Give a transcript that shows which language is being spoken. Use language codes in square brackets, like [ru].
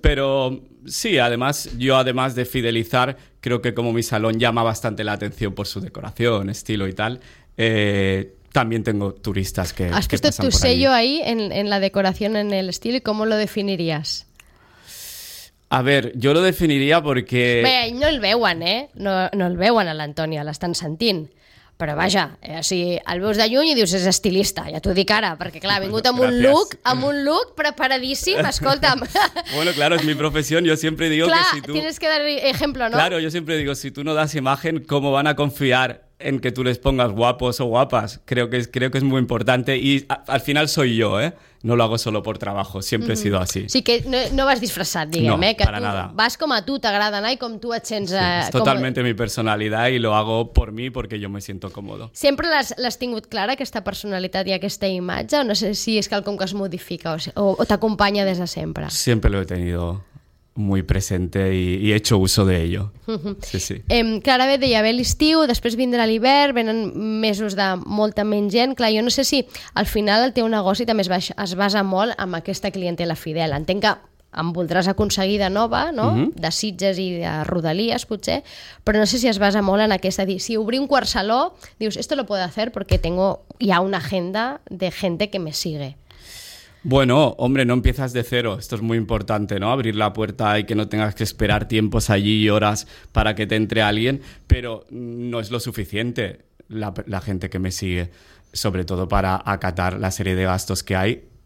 [es] Pero sí, además, yo además de fidelizar, creo que como mi salón llama bastante la atención por su decoración, estilo y tal, también tengo turistas que pasan por ahí. ¿Has puesto tu sello ahí en la decoración, en el estilo? ¿Y cómo lo definirías? A ver, yo lo definiría porque... [ca] Vaya, no el veuen, ¿eh? No el veuen a l'Antònia, l'estan sentint. Però vaja, si el veus de lluny i dius és estilista, ja t'ho dic ara, perquè clar, ha vingut amb un look preparadíssim, escolta'm. [es] Bueno, claro, es mi profesión, yo siempre digo [ca] clar, [es] que si tú... tienes que dar ejemplo, ¿no? Claro, yo siempre digo, si tú no das imagen, ¿cómo van a confiar en que tú les pongas guapos o guapas? Creo que es muy importante y al final soy yo, ¿eh? No lo hago solo por trabajo, siempre, uh-huh, he sido así. [ca] Sí, que no vas disfressat, diguem, no, eh? Que [es] para nada. [ca] Vas com a tu, t'agrada anar i com tu et sents... Sí, és totalment mi personalitat [es] i lo hago por mí porque yo me siento cómodo. [ca] Sempre l'has tingut clara, aquesta personalitat i aquesta imatge? O no sé si és quelcom que es modifica o t'acompanya des de sempre? [es] Sempre lo he tenido muy presente y he hecho uso de ello. Sí, sí. [ca] Clar, ara ve de llavell estiu, després vindrà l'hivern, venen mesos de molta menys gent. Clar, jo no sé si al final el teu negoci també es basa molt en aquesta clientela fidel. Entenc que em voldràs aconseguir de nova, no? Uh-huh. De Sitges i de Rodalies, potser, però no sé si es basa molt en aquesta... Si obrir un quart saló, dius, esto lo puedo hacer porque tengo ya una agenda de gente que me sigue. [es] Bueno, hombre, no empiezas de cero. Esto es muy importante, ¿no? Abrir la puerta y que no tengas que esperar tiempos allí y horas para que te entre alguien. Pero no es lo suficiente la gente que me sigue, sobre todo para acatar la serie de gastos que hay.